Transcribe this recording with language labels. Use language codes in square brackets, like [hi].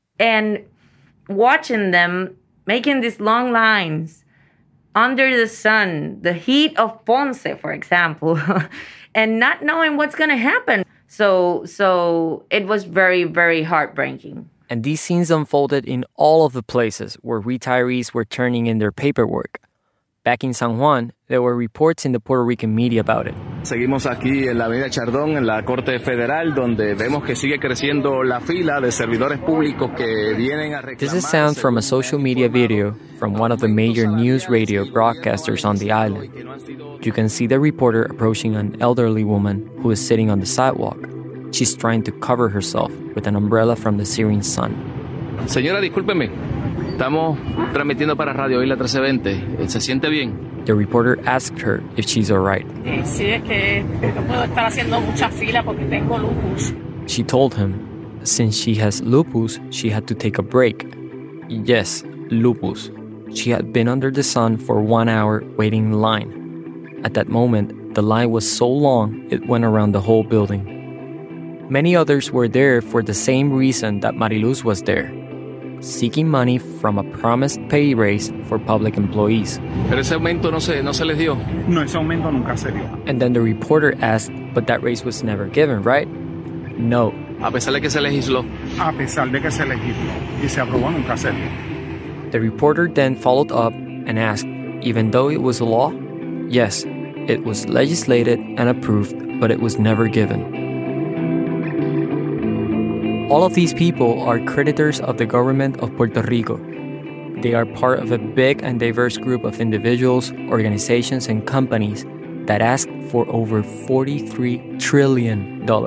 [en] And watching them making these long lines under the sun, the heat of Ponce, for example, and not knowing what's going to happen. So it was very, very heartbreaking. And these scenes unfolded in all of the places where retirees were turning in their paperwork. Back in San Juan, there were reports in the Puerto Rican media about it. [es] Seguimos aquí en la Avenida Chardón, en la Corte Federal, donde vemos que sigue creciendo la fila de servidores públicos que vienen a reclamar. [en] This is sound from a social media video from one of the major news radio broadcasters on the island. You can see the reporter approaching an elderly woman who is sitting on the sidewalk. She's trying to cover herself with an umbrella from the searing sun. [es] Señora, discúlpeme. Estamos transmitiendo para Radio Isla 1320. ¿Se siente bien? [en] The reporter asked her if she's all right. [es] Sí, es que no puedo estar haciendo mucha fila porque tengo lupus. [en] She told him, since she has lupus, she had to take a break. Yes, lupus. She had been under the sun for 1 hour waiting in line. At that moment, the line was so long, it went around the whole building. Many others were there for the same reason that Mariluz was there. Seeking money from a promised pay raise for public employees. [es] Pero ese aumento no se les dio. No, ese aumento nunca se dio. [en] And then the reporter asked, but that raise was never given, right? [es] No. A pesar de que se legisló. A pesar de que se legisló y se aprobó, nunca se dio. [en] The reporter then followed up and asked, even though it was a law? Yes, it was legislated and approved, but it was never given. All of these people are creditors of the government of Puerto Rico. They are part of a big and diverse group of individuals, organizations, and companies that ask for over $43 trillion.